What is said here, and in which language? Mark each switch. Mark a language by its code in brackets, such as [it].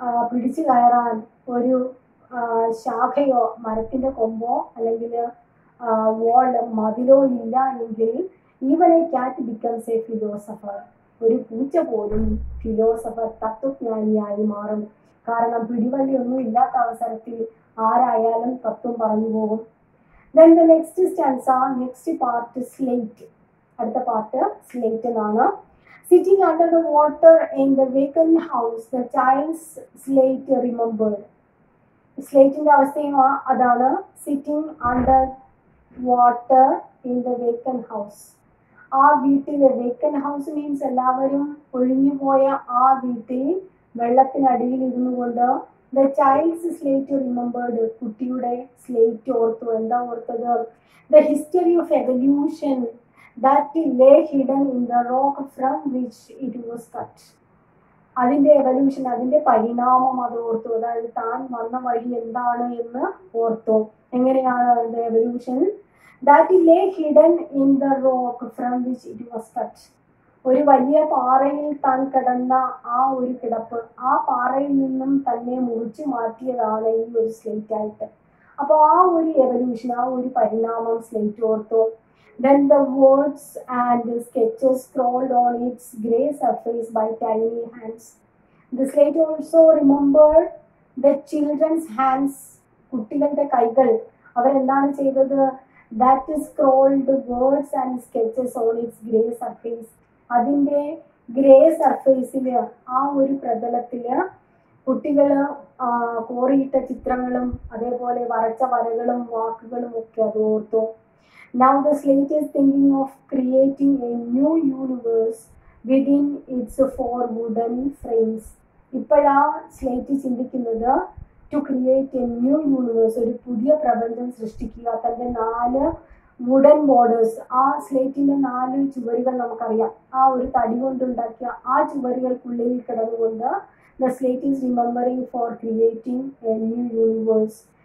[ml] പിടിച്ചു കയറാൻ ഒരു ശാഖയോ മരത്തിൻ്റെ കൊമ്പോ അല്ലെങ്കിൽ വാളോ മതിലോ ഇല്ല എങ്കിൽ [en] Even a cat becomes a philosopher. [ml] ഒരു പൂച്ച പോലും ഫിലോസഫർ തത്വജ്ഞാനിയായി മാറും. കാരണം പിടിവലിയൊന്നും ഇല്ലാത്ത അവസരത്തിൽ ആരായാലും തത്വം പറഞ്ഞു പോകും. [en] Then the next stanza next part slate. [ml] അടുത്ത പാർട്ട് സ്ലേറ്റ് എന്നാണ്. [en] Sitting under the water in the vacant house, the child's slate remembered. [ml] Slate-ന്റെ അവസ്ഥയും അതാണ്. [en] Sitting under water in the vacant house. [ml] ആ വീട്ടിൽ, [en] vacant house means [ml] എല്ലാവരും ഒഴിഞ്ഞുപോയ ആ വീട്ടിൽ വെള്ളത്തിനടിയിൽ ഇരുന്നു കൊണ്ട് [en] The child's slate remembered. [ml] കുട്ടിയുടെ സ്ലേറ്റ് ഓർത്തു. എന്താ ഓർത്തത്? [en] The history of evolution that lay hidden in the rock from which it was cut. [ml] അതിൻ്റെ എവല്യൂഷൻ, അതിൻ്റെ പരിണാമം അത് ഓർത്തു. അതായത് താൻ വന്ന വഴി എന്താണ് എന്ന് ഓർത്തു. എങ്ങനെയാണ് അതിൻ്റെ evolution? [en] That lay hidden in the rock from which it was cut. [ml] ഒരു വലിയ പാറയിൽ താൻ കിടന്ന ആ ഒരു കിടപ്പ്, ആ പാറയിൽ നിന്നും തന്നെ മുറിച്ചു മാറ്റിയതാണ് ഈ ഒരു സ്ലേറ്റ് ആയിട്ട്. അപ്പോൾ ആ ഒരു എവല്യൂഷൻ, ആ ഒരു പരിണാമം സ്ലേറ്റ് ഓർത്തു. [en] Then the words and sketches scrawled on its grey surface by tiny hands. The slate also remembered the children's hands. [ml] കുട്ടികളുടെ കൈകൾ അവരെന്താണ് ചെയ്തത്? [en] That is scrawled words and sketches on its grey surface. [ml] അതിൻ്റെ grey സർഫേസിൽ, ആ ഒരു പ്രതലത്തിൽ കുട്ടികൾ കോറിയിട്ട ചിത്രങ്ങളും അതേപോലെ വരച്ച വരകളും വാക്കുകളും ഒക്കെ അത് ഓർത്തു. [en] Now the slate is thinking of creating a new universe within its four wooden frames. [ml] ഇപ്പോഴാ സ്ലേറ്റ് ചിന്തിക്കുന്നത് [en] to create a new universe, [ml] ഒരു പുതിയ പ്രപഞ്ചം സൃഷ്ടിക്കുക തൻ്റെ നാല് വുഡൻ ബോർഡേഴ്സ്. ആ സ്ലേറ്റിൻ്റെ നാല് ചുവരുകൾ നമുക്കറിയാം. ആ ഒരു തടി കൊണ്ടുണ്ടാക്കിയ ആ ചുവരുകൾക്കുള്ളിൽ കിടന്നുകൊണ്ട് [en] The slate is remembering for creating a new universe.